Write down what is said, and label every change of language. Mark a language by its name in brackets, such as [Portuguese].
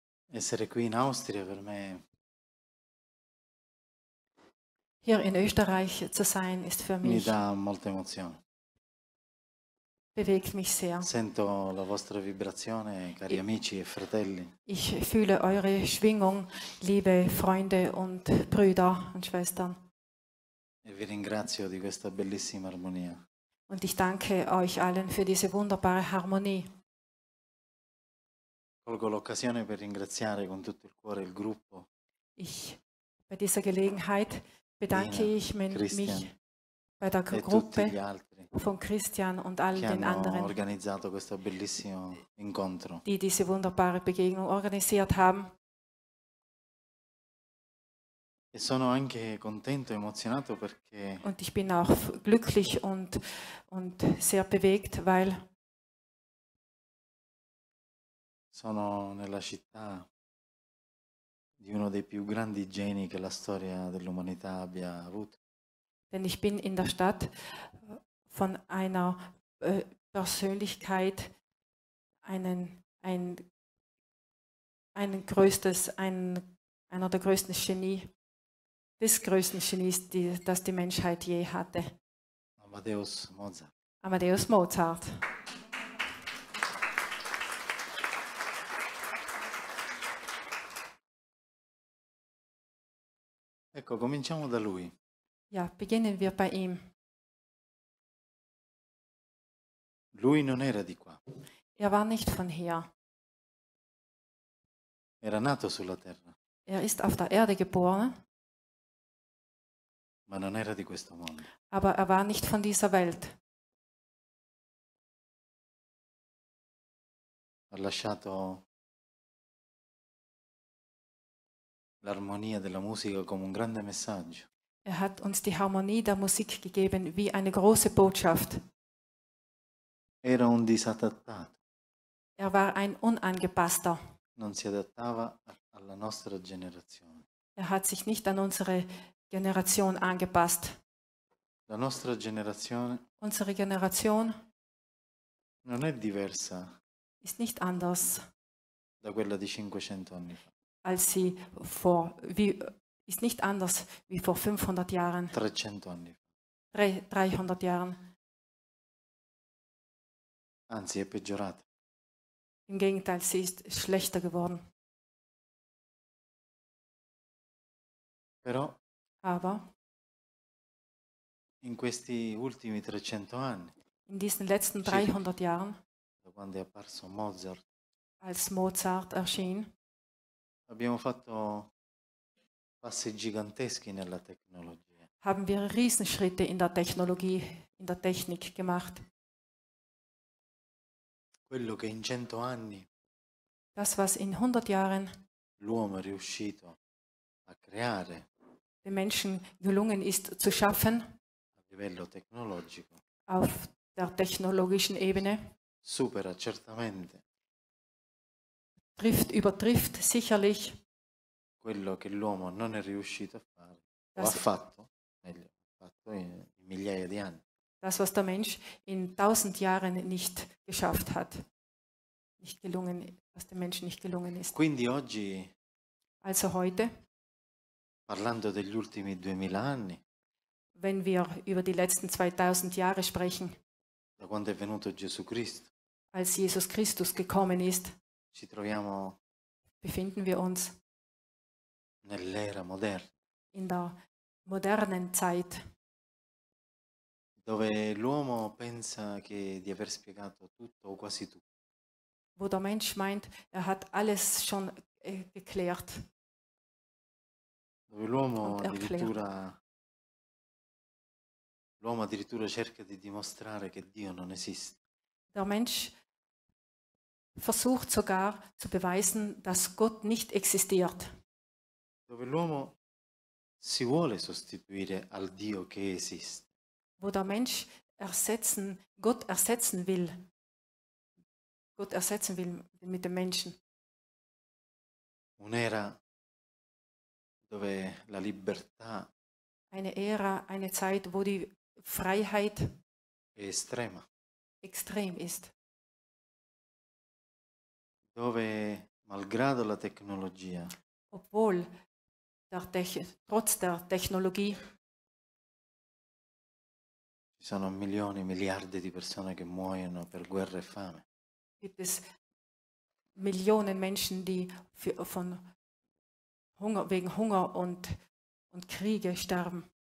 [Italian] Essere qui in Austria per me. [German] Hier in Österreich zu sein ist für mich. [Italian] Mi dà molta emozione. [German] Bewegt mich sehr. [Italian] Sento la vostra vibrazione, cari amici e fratelli. [German] Ich fühle eure Schwingung, liebe Freunde und Brüder und Schwestern. [Italian] E vi ringrazio di questa bellissima armonia. [German] Und ich danke euch allen für diese wunderbare Harmonie. [Italian] Colgo l'occasione per ringraziare con tutto il cuore il gruppo. [German] Ich bei dieser Gelegenheit bedanke ich mich bei der Gruppe von Christian und all den anderen, [Italian] che hanno organizzato questo bellissimo incontro. [German] Die diese wunderbare Begegnung organisiert haben. [Italian] E sono anche contento e emozionato perché. [German] Und ich bin auch glücklich und sehr bewegt, weil. [Italian] Sono nella città di uno dei più grandi geni che la storia dell'umanità abbia avuto. [German] Denn ich bin in der Stadt von einer Persönlichkeit, einer der größten Genie, des größten Genies, das die Menschheit je hatte. [Italian] Amadeus Mozart. [German] Amadeus Mozart. [Italian] Ecco, cominciamo da lui. [German] Ja, beginnen wir bei ihm. [Italian] Lui non era di qua. [German] Er war nicht von hier. [Italian] Era nato sulla terra. [German] Er ist auf der Erde geboren. [Italian] Ma non era di questo mondo. [German] Aber er war nicht von dieser Welt. [Italian] Ha lasciato l'armonia della musica come un grande messaggio. [German] Er hat uns die Harmonie der Musik gegeben wie eine große Botschaft. [Italian] Era un disadattato. [German] Er war ein Unangepasster. [Italian] Non si adattava alla nostra generazione. [German] Er hat sich nicht an unsere Generation angepasst. [Italian] La nostra generazione. [German] Unsere Generation. [Italian] Non è diversa. [German] Ist nicht anders. [Italian] Da quella di 500 anni fa. [German] Als sie vor, wie, ist nicht anders wie vor 500 Jahren. [Italian] 300 anni. [German] 300 Jahren. [Italian] Anzi, è peggiorata. [German] Im Gegenteil, sie ist schlechter geworden. [Italian] Però, [German] aber [Italian] in questi ultimi 300 anni, [German] in diesen letzten 300 Jahren, [Italian] da quando è apparso Mozart, [German] als Mozart erschien, [Italian] abbiamo fatto passi giganteschi nella tecnologia. [German] Haben wir Riesenschritte in der Technologie, in der Technik gemacht. [Italian] Quello che in 100 anni. [German] Das was in 100 Jahren. [Italian] L'uomo è riuscito a creare. [German] Den Menschen gelungen ist zu schaffen. [Italian] A livello tecnologico. [German] Auf der technologischen Ebene. [Italian] Supera certamente. [German] trifft übertrifft sicherlich [Italian] quello che l'uomo non è riuscito a fare o ha fatto, meglio, ha fatto in migliaia di anni. [German] Das, was der Mensch in 1000 Jahren nicht geschafft hat, nicht gelungen, was dem Menschen nicht gelungen ist. [Italian] Quindi oggi, [German] also heute, [Italian] parlando degli ultimi 2000 anni, [German] wenn wir über die letzten 2000 Jahre sprechen, [Italian] da quando è venuto Gesù Cristo, [German] als Jesus Christus gekommen ist, [Italian] ci troviamo, [German] befinden wir uns [Italian] nell'era moderna, [German] in der modernen Zeit, [Italian] dove l'uomo pensa che di aver spiegato tutto o quasi tutto. [German] Wo der Mensch meint, hat alles schon geklärt. [Italian] Dove l'uomo addirittura cerca di dimostrare che Dio non esiste. [German] Der Mensch versucht sogar zu beweisen, dass Gott nicht existiert. [Italian] Dove l'uomo si vuole sostituire al Dio che esiste. [German] Wo der Mensch ersetzen, Gott ersetzen will. Gott ersetzen will mit dem Menschen. [Italian] Un'era dove la libertà, [German] eine Ära, eine Zeit, wo die Freiheit [Italian] estrema, [German] extrem ist. [Italian] Dove, malgrado la tecnologia, [German] obwohl der trotz der Technologie, [Italian] ci sono milioni, miliardi di persone che muoiono per guerra e fame. [German] Gibt es Millionen Menschen, die von Hunger, wegen Hunger und Kriege sterben.